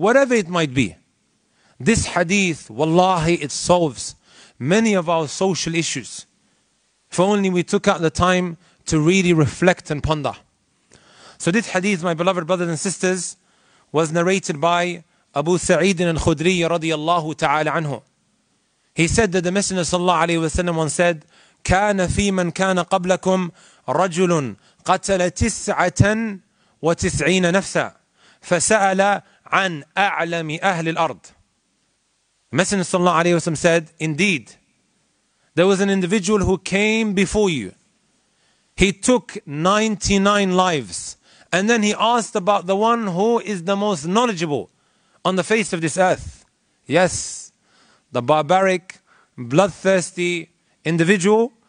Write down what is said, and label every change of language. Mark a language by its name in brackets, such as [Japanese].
[English] Whatever it might be, this hadith, wallahi, it solves many of our social issues. If only we took out the time to really reflect and ponder. So this hadith, my beloved brothers and sisters, was narrated by Abu Sa'id al-Khudri radiyallahu ta'ala anhu. He said that the Messenger sallallahu alayhi wa sallam once said, [Arabic] كَانَ فِي مَنْ كَانَ قَبْلَكُمْ رَجُلٌ قَتَلَ تِسْعَةً وَتِسْعِينَ نَفْسًا فَسَأَلَ عَنْ أَعْلَمِ أَهْلِ الْأَرْضِ. [English] Messenger sallallahu alayhi wa sallam said, indeed, there was an individual who came before you. He took 99 lives. And then he asked about the one who is the most knowledgeable on the face of this earth. Yes, the barbaric, bloodthirsty individual.